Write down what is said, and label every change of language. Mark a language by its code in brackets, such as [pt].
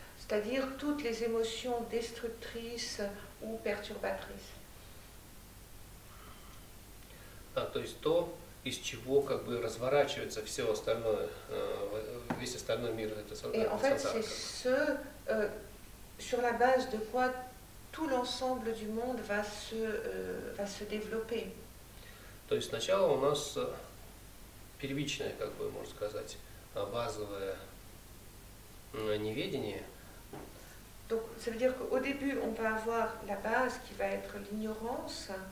[fr] C'est-à-dire toutes les émotions destructrices ou perturbatrices. [ru] Да, то есть то, из чего как бы разворачивается все остальное, весь остальной мир. Это, [fr] Et [ru] это en фасада. [fr] Fait, c'est ce sur la base de quoi tout l'ensemble du monde va se développer. [ru] То есть сначала у нас первичное, как бы можно сказать, базовое неведение. [fr] Donc ça veut dire qu'au début on va avoir la base qui va être l'ignorance.